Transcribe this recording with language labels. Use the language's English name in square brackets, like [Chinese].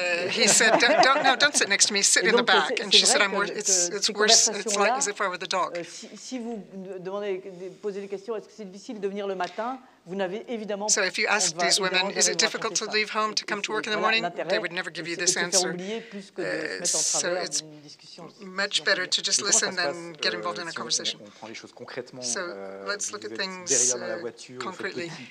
[English] He said, don't sit next to me, sit in the back. And she said, it's worse, it's like as if I were the dog. [French] Si vous posez des questions, est-ce que c'est difficile de venir le matin? Vous n'avez évidemment [English] so if you ask these women, is it difficult to leave home to come to work in the morning? They would never give you this answer. So it's much better to just listen than get involved in a conversation. So let's look at things concretely.